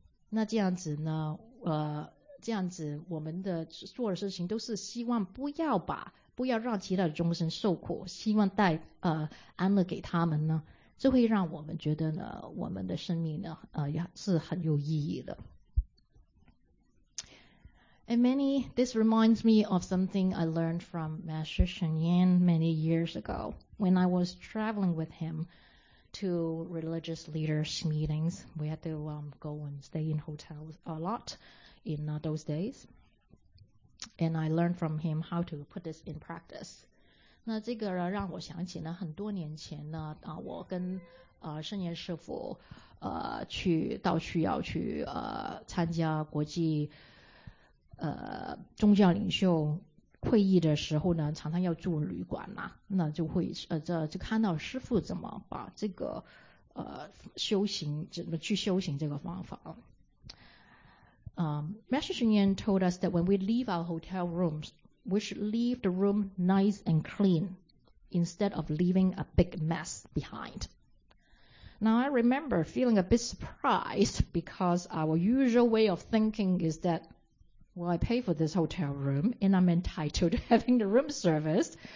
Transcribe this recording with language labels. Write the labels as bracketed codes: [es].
[zh] 那这样子呢，这样子我们的做的事情都是希望不要让其他的众生受苦，希望带安乐给他们呢，这会让我们觉得呢，我们的生命呢，也是很有意义的。 [en] And many, this reminds me of something I learned from Master Shen Yan many years ago when I was traveling with him to religious leaders' meetings. We had to go and stay in hotels a lot in those days. And I learned from him how to put this in practice. [zh] 那这个让我想起呢，很多年前呢，我跟圣严师父去到需要去参加国际宗教领袖会议的时候呢，常常要住旅馆嘛，那就会就看到师父怎么把这个修行，怎么去修行这个方法。 [en] Master Shen Yan told us that when we leave our hotel rooms, we should leave the room nice and clean instead of leaving a big mess behind. Now I remember feeling a bit surprised because our usual way of thinking is thatWell, I pay for this hotel room, and I'm entitled to having the room service.